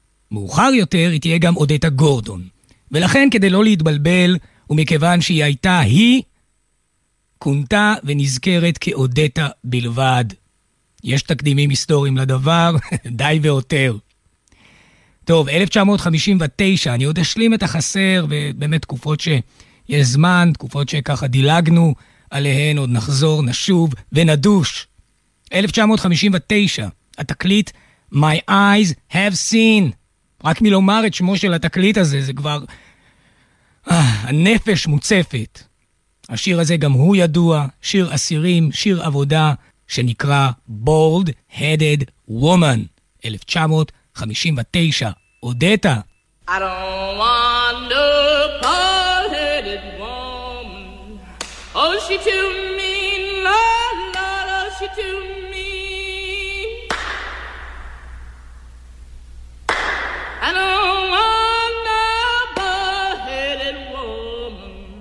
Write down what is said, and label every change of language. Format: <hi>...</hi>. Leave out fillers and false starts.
<he>מאוחר יותר היא תהיה גם אודטה גורדון. ולכן כדי לא להתבלבל, ומכיוון שהיא הייתה היא, קונתה ונזכרת כאודטה בלבד. יש תקדימים היסטוריים לדבר, די ועותר. טוב, 1959, אני עוד אשלים את החסר, ובאמת תקופות שיש זמן, תקופות שככה דילגנו עליהן, עוד נחזור, נשוב ונדוש. 1959, התקליט My Eyes Have Seen. רק מלומר את שמו של התקליט הזה, זה כבר... הנפש מוצפת. השיר הזה גם הוא ידוע, שיר אסירים, שיר עבודה, שנקרא Bold Headed Woman, 1959. אודטה.</he> <en>I don't want no bald-headed woman. Oh, she too mean, Lord, Lord, oh, she too mean. I don't want no bald-headed woman.</en>